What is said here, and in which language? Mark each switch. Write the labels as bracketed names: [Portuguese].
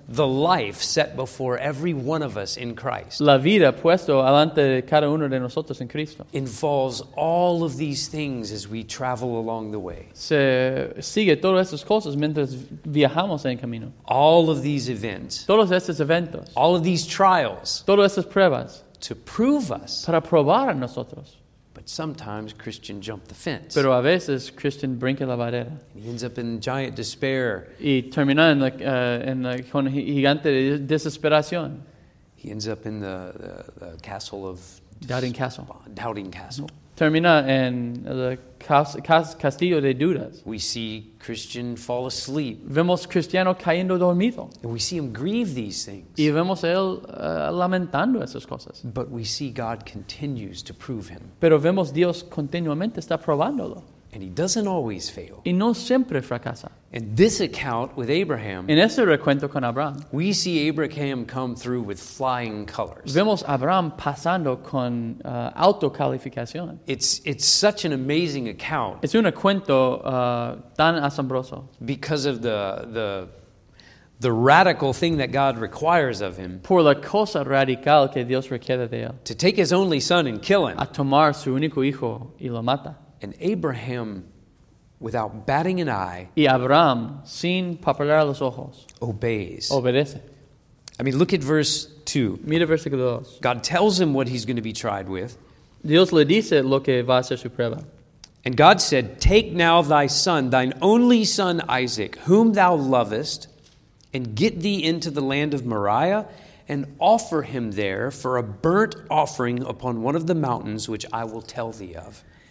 [English] The life set before every one of us in Christ. [Spanish] La vida puesto adelante de cada uno de nosotros en Cristo. [English] Involves all of these things as we travel along the way. [Spanish] Se sigue todas estas cosas mientras viajamos en camino. [English] All of these events. [Spanish] Todos estos eventos. [English] All of these trials. [Spanish] Todas estas pruebas. [English] To prove us. [Spanish] Para probar a nosotros. [English] But sometimes Christian jumped the fence. [Spanish] Pero a veces Christian brinca la barrera. [English] He ends up in giant despair. [Spanish] Y termina con gigante de desesperación. [English] He ends up in the castle of Doubting Castle. Doubting Castle. Mm-hmm. [Spanish] termina en el castillo de dudas. [English] We see Christian fall asleep. [Spanish] Vemos cristiano cayendo dormido. [English] And we see him grieve these things. [Spanish] Y vemos él lamentando esas cosas. [English] But we see God continues to prove him. [Spanish] Pero vemos Dios continuamente está probándolo. [English] And he doesn't always fail. [Spanish] Y no siempre fracasa. [English] In this account with Abraham, [Spanish] en ese recuento con Abraham, [English] we see Abraham come through with flying colors. [Spanish] Vemos a Abraham pasando con autocalificación. [English] It's such an amazing account. [Spanish] Es un cuento tan asombroso. [English] Because of the radical thing that God requires of him. [Spanish] Por la cosa radical que Dios requiere de él. [English] To take his only son and kill him. [Spanish] A tomar su único hijo y lo mata. [English] And Abraham, without batting an eye, [Spanish] y Abraham, sin parpadear los ojos, [English] obeys. [Spanish] Obedece. [English] I mean, look at verse 2. [Spanish] Mira versículo 2. [English] God tells him what he's going to be tried with. [Spanish] Dios le dice lo que va a ser su prueba. [English] And God said, take now thy son, thine only son Isaac, whom thou lovest, and get thee into the land of Moriah, and offer him there for a burnt offering upon one of the mountains which I will tell thee of.